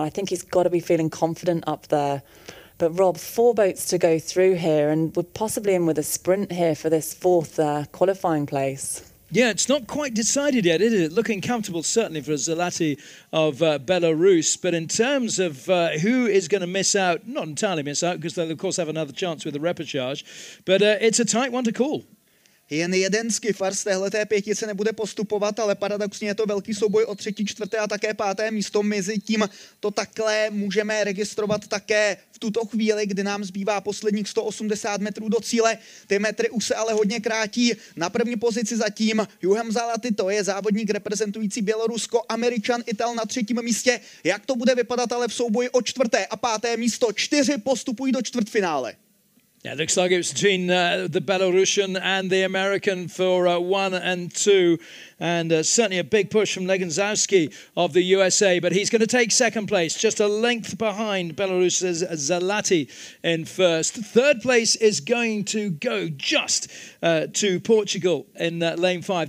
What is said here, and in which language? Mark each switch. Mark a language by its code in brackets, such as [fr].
[en] I think he's got to be feeling confident up there. But Rob, four boats to go through here, and we're possibly in with a sprint here for this fourth qualifying place. Yeah, it's not quite decided yet, is it? Looking comfortable, certainly, for Zalati of Belarus. But in terms of who is going to miss out, not entirely miss out, because they'll, of course, have another chance with the repechage. But it's a tight one to call. [cs] Jen jeden skifar z téhleté pětice nebude postupovat, ale paradoxně je to velký souboj o třetí, čtvrté a také páté místo. Mezi tím to takhle můžeme registrovat také v tuto chvíli, kdy nám zbývá posledních 180 metrů do cíle. Ty metry už se ale hodně krátí. Na první pozici zatím Juhem Zalaty, to je závodník reprezentující Bělorusko, Američan, Ital na třetím místě. Jak to bude vypadat ale v souboji o čtvrté a páté místo? Čtyři postupují do čtvrtfinále. [en] Yeah, it looks like it was between the Belarusian and the American for one and two. And certainly a big push from Leganzowski of the USA. But he's going to take second place, just a length behind Belarus's Zalaty in first. Third place is going to go just to Portugal in lane five.